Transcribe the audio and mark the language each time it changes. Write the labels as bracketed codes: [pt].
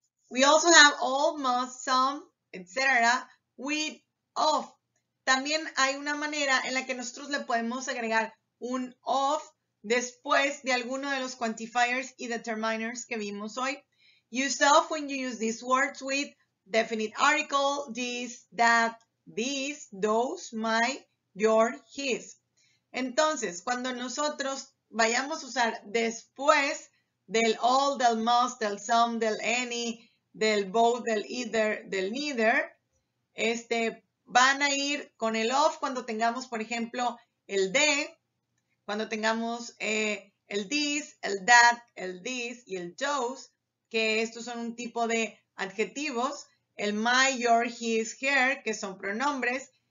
[en] We also have almost, some, etc. with, of. [es] También hay una manera en la que nosotros le podemos agregar un of después de alguno de los quantifiers y determiners que vimos hoy. [en] Use of when you use these words with definite article, this, that, these, those, my, your, his. [es] Entonces, cuando nosotros vayamos a usar después del all, del must, del some, del any, del both, del either, del neither, van a ir con el of cuando tengamos, por ejemplo, el de, cuando tengamos el this, el that, el this y el those, que estos son un tipo de adjetivos, el my, your, his, her, que son pronombres.